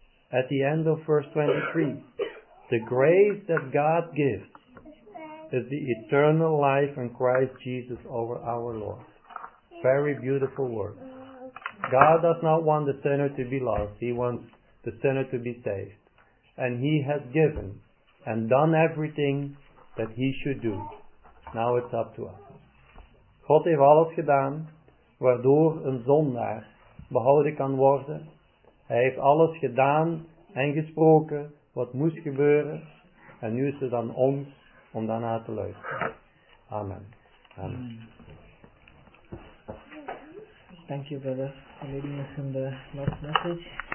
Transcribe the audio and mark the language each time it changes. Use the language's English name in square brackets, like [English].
[English] At the end of verse 23. The grace that God gives is the eternal life in Christ Jesus over our Lord. Very beautiful word. God does not want the sinner to be lost. He wants the sinner to be saved. And He has given and done everything that He should do. Now it's up to us. [Dutch] God heeft alles gedaan waardoor een zondaar behouden kan worden. Hij heeft alles gedaan en gesproken wat moest gebeuren. En nu is het aan ons om daarna te luisteren. Amen. Amen. [English] Thank you, brother, for leading us in the last message.